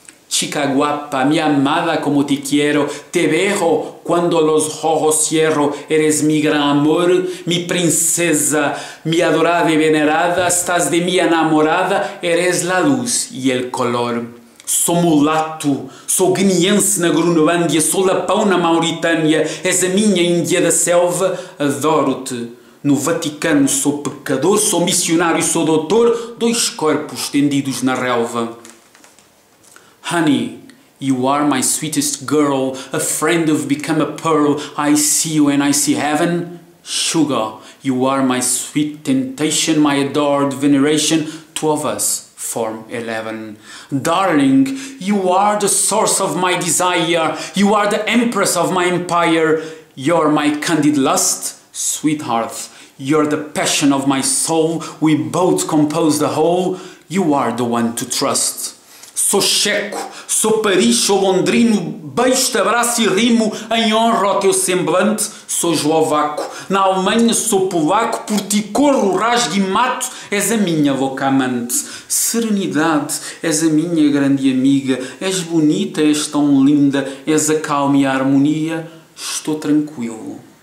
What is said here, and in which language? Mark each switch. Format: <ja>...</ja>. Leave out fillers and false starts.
<es>Chica guapa, mi amada como te quiero, te veo cuando los ojos cierro, eres mi gran amor, mi princesa, mi adorada y venerada, estás de mí enamorada, eres la luz y el color.</es> <pt>Sou mulato, sou guineense na Groenlândia, sou lapão na Mauritânia, és a minha Índia da selva, adoro-te. No Vaticano sou pecador, sou missionário e sou doutor, dois corpos tendidos na relva.</pt> <en>Honey, you are my sweetest girl, a friend who've become a pearl, I see you and I see heaven. Sugar, you are my sweet temptation, my adored veneration, two of us. Form 11. Darling, you are the source of my desire. You are the empress of my empire. You're my candid lust, sweetheart. You're the passion of my soul. We both compose the whole. You are the one to trust.</en> <pt>Sou checo, sou Paris, sou londrino, beijo, abraço e rimo, em honra ao teu semblante, sou eslovaco. Na Alemanha sou polaco, por ti corro, rasgo e mato, és a minha louca amante. Serenidade, és a minha grande amiga, és bonita, és tão linda, és a calma e a harmonia, estou tranquilo.</pt>